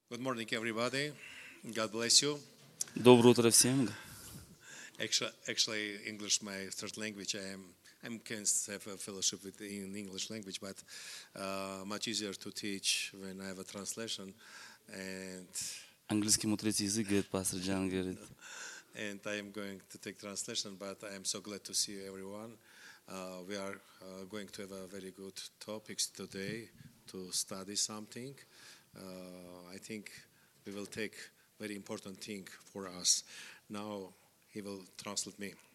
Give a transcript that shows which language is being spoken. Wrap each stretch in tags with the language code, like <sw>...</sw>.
<en>Good morning, everybody. God bless you.</en> <ru>Доброе утро всем.</ru> <en>Actually, English my third language. I'm can have a fellowship with in English language, but much easier to teach when I have a translation. And</en> <ru>английский мой третий язык, говорит пастор Джан, говорит.</ru> <en>And I am going to take translation, but I am so glad to see everyone. We are going to have a very good topics today to study something. I think we will take very important thing for us. Now he will translate me.</en>